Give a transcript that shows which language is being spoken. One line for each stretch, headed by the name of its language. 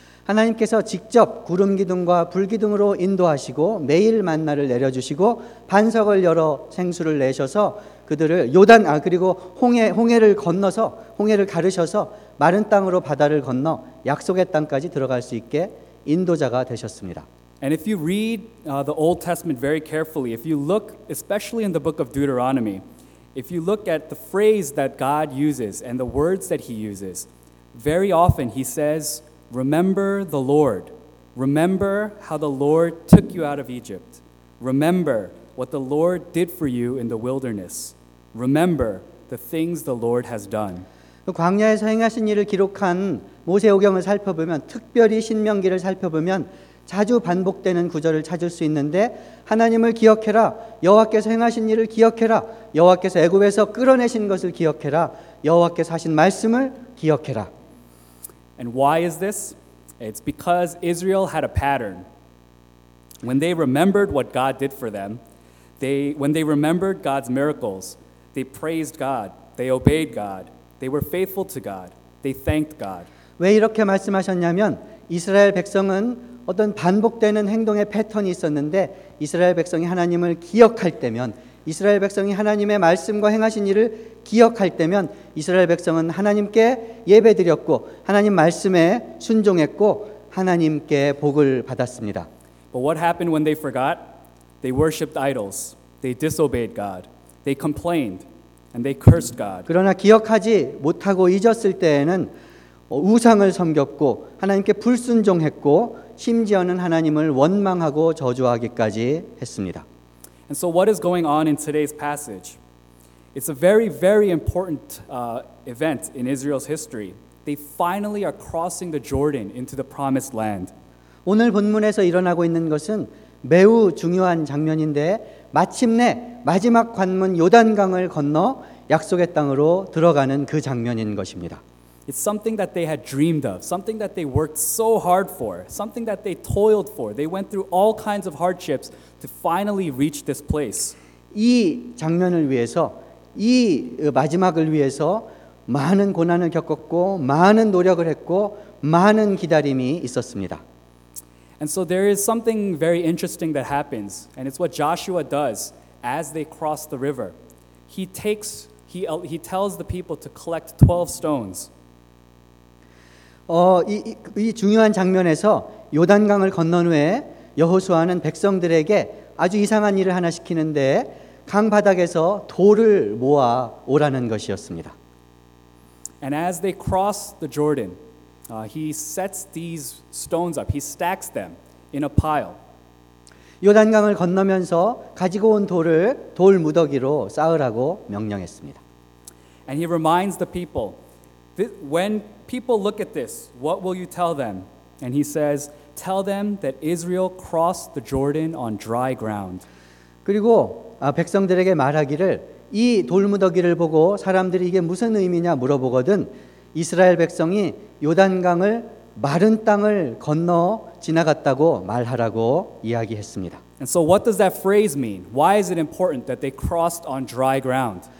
Korean: 하나님께서 직접 구름 기둥과 불 기둥으로 인도하시고 매일 만나를 내려 주시고 반석을 열어 생수를 내셔서 그들을 요단 그리고 홍해를 건너서 홍해를 가르셔서 마른 땅으로 바다를 건너 약속의 땅까지 들어갈 수 있게 인도자가 되셨습니다.
English: And if you read the Old Testament very carefully, if you look especially in the book of Deuteronomy, if you look at the phrase that God uses and the words that he uses, very often he says, remember the Lord. Remember how the Lord took you out of Egypt. Remember what the Lord did for you in the wilderness. Remember the things the Lord has done.
Korean: 광야에서 행하신 일을 기록한 모세오경을 살펴보면 특별히 신명기를 살펴보면 자주 반복되는 구절을 찾을 수 있는데 하나님을 기억해라 여호와께서 행하신 일을 기억해라 여호와께서 애굽에서 끌어내신 것을 기억해라 여호와께서 하신 말씀을 기억해라.
English: And why is this? It's because Israel had a pattern. When they remembered what God did for them, when they remembered God's miracles, they praised God, they obeyed God, they were faithful to God, they thanked God.
Korean: 왜 이렇게 말씀하셨냐면 이스라엘 백성은 어떤 반복되는 행동의 패턴이 있었는데 이스라엘 백성이 하나님을 기억할 때면 이스라엘 백성이 하나님의 말씀과 행하신 일을 기억할 때면 이스라엘 백성은 하나님께 예배드렸고 하나님 말씀에 순종했고 하나님께 복을 받았습니다.
English: But what happened when they forgot? They worshipped idols. They disobeyed God. They complained and they cursed God.
Korean: 그러나 기억하지 못하고 잊었을 때에는 우상을 섬겼고 하나님께 불순종했고 심지어는 하나님을 원망하고 저주하기까지 했습니다.
English: And so what is going on in today's passage? It's a very, very important event in Israel's history. They finally are crossing the Jordan into the promised land.
Korean: 오늘 본문에서 일어나고 있는 것은 매우 중요한 장면인데 마침내 마지막 관문 요단강을 건너 약속의 땅으로 들어가는 그 장면인 것입니다.
English: It's something that they had dreamed of, something that they worked so hard for, something that they toiled for. They went through all kinds of hardships to finally reach this place.
Korean: 이 장면을 위해서, 이 마지막을 위해서 많은 고난을 겪었고, 많은 노력을 했고, 많은 기다림이 있었습니다.
English: And so there is something very interesting that happens, and it's what Joshua does as they cross the river. He tells the people to collect 12 stones.
Korean: 이 중요한 장면에서 요단강을 건넌 후에 여호수아는 백성들에게 아주 이상한 일을 하나 시키는데 강 바닥에서 돌을 모아 오라는 것이었습니다.
English: And as they cross the Jordan, he sets these stones up. He stacks them in a pile.
Korean: 요단강을 건너면서 가지고 온 돌을 돌 무더기로 쌓으라고 명령했습니다.
English: And he reminds the people that when people look at this, what will you tell them? And he says, tell them that Israel crossed the Jordan on dry ground.
Korean: 그리고 백성들에게 말하기를 이 돌무더기를 보고 사람들이 이게 무슨 의미냐 물어보거든 이스라엘 백성이 요단강을 마른 땅을 건너 지나갔다고 말하라고 이야기했습니다.
English: And so what does that phrase mean? Why is it important that they crossed on dry ground?